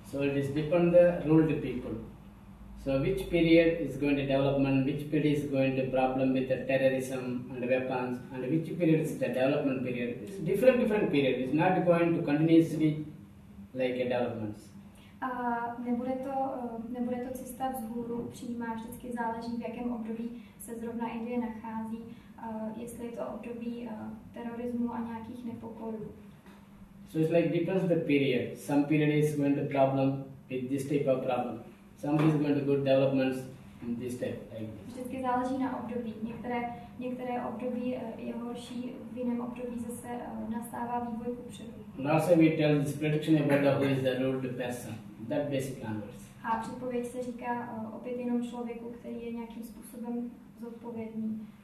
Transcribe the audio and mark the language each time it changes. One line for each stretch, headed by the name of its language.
English: So it is depend on the ruled people. So which period is going to development, which period is going to problem with the terrorism and weapons, and which period is the development period. It's different period. It's not going to continuously like a development.
Czech: Nebude to cesta vzhůru přímá, vždycky záleží, v jakém období se zrovna Indie nachází, jestli je to období terorismu a nějakých nepokojů.
English: So it's like depends the period. Some period is going to problem with this type of problem. Some is going to good developments in this type.
Czech: Vždycky záleží na období. Některé období je horší, v jiném období zase nastává vývoj kupředu.
English: Also we tell this prediction about who is the ruled person. That basic language.
Czech: A předpověď se říká opět jenom člověku, který je nějakým způsobem zodpovědný.